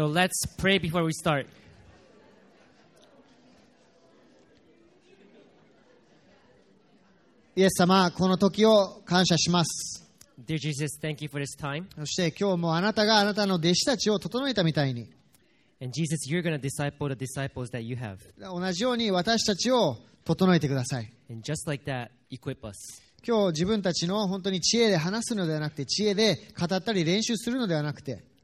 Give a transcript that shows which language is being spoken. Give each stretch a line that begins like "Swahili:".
English: So let's pray before we start.
Japanese: 様、この時を感謝します。Dear
English: Jesus, thank you for this time.
Japanese: そして今日もあなたがあなたの弟子たちを整えたみたいに。
English: And Jesus, you're going to disciple the disciples that you have.
Japanese: 同じように私たちを整えてください。
English: And just like that, equip us.
Japanese: 今日自分たちの本当に知恵で話すのではなくて知恵で語ったり練習するのではなくて